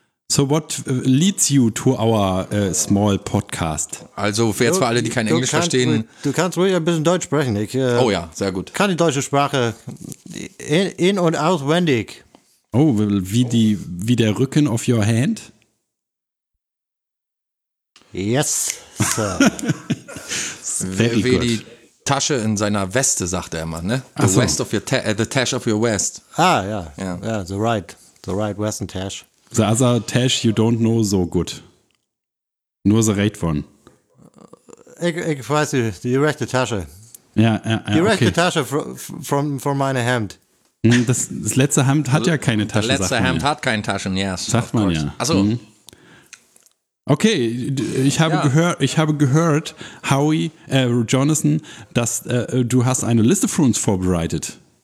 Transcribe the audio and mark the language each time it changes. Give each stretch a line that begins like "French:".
English: So what leads you to our small podcast?
German: Also jetzt für alle, die kein Englisch verstehen. Du kannst ruhig ein bisschen Deutsch sprechen. Ich, oh ja, sehr gut. Kann die deutsche Sprache in- und auswendig. Oh, wie der Rücken
English: of your hand? Yes, sir. Very
German: wie
English: good.
German: Die Tasche in seiner Weste, sagt er immer, ne?
English: The tash of your west. Ah, ja. Yeah. Yeah, the right western tash. The other Tash you don't know so good.
German: Nur
English: the right one.
German: Ich weiß nicht, die rechte Tasche. Ja, die rechte okay. Tasche von meiner Hemd. Das letzte Hemd hat ja keine Tasche. Das letzte Hemd hat keine Taschen,
English: yes.
German: Sagt man ja. Achso. Mhm. Okay, ich habe gehört, Jonathan, dass du hast eine Liste für uns vorbereitet.